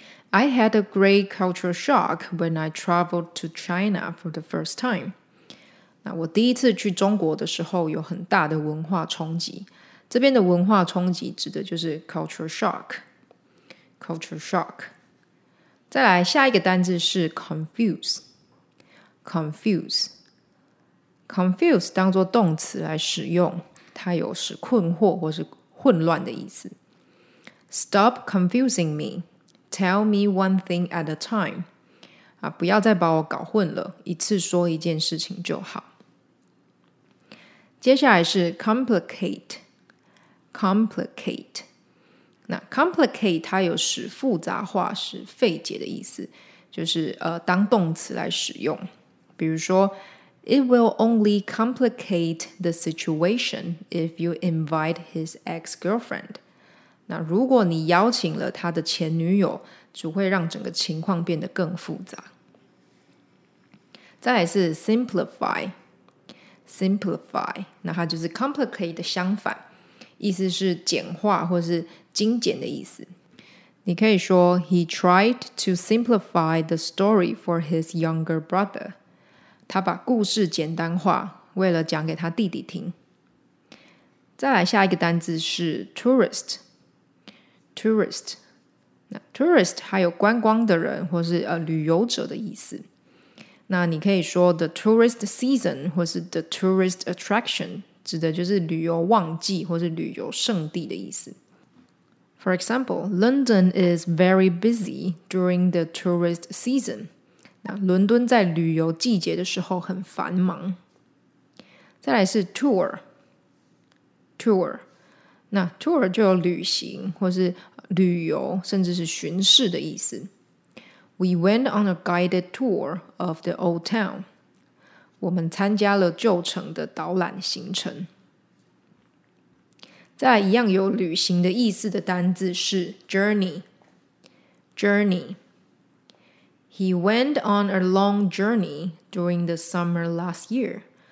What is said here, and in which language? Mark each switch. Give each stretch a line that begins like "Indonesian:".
English: I had a great cultural shock when I traveled to China for the first time.
Chinese: 那我第一次去中国的时候有很大的文化冲击。这边的文化冲击指的就是 cultural shock. Cultural shock. 再来下一个单字是 confuse. Confuse. Confuse 当作动词来使用，它有使困惑或是混乱的意思。
English: Stop confusing me. Tell me one thing at a time.
Chinese: 啊，不要再把我搞混了，一次说一件事情就好。接下来是 complicate. Complicate. 那 complicate 它有使复杂化、使费解的意思，就是当动词来使用。比如说
English: ，It will only complicate the situation if you invite his ex-girlfriend.
Chinese: 那如果你邀请了他的前女友，只会让整个情况变得更复杂。再来是 simplify， simplify， 那它就是 complicate 的相反，意思是简化或是精简的意思。
English: 你可以说 He tried to simplify the story for his younger brother，
Chinese: 他把故事简单化，为了讲给他弟弟听。再来下一个单字是 tourist。Tourist， 那 tourist 还有观光的人或是旅游者的意思。那你可以说 the tourist season 或是 the tourist attraction 指的就是旅游旺季或是旅游胜地的意思。
English: For example, London is very busy during the tourist season.
Chinese: 那伦敦在旅游季节的时候很繁忙。再来是 tour。那 tour 就有旅行或是旅游甚至是巡视的意思。
English: We went on a guided tour of the old town.
Chinese: 我们参加了旧城的导览行程。再来一样有旅行的意思的单字是 journey. Journey.
English: He went on a long journey during the summer last year.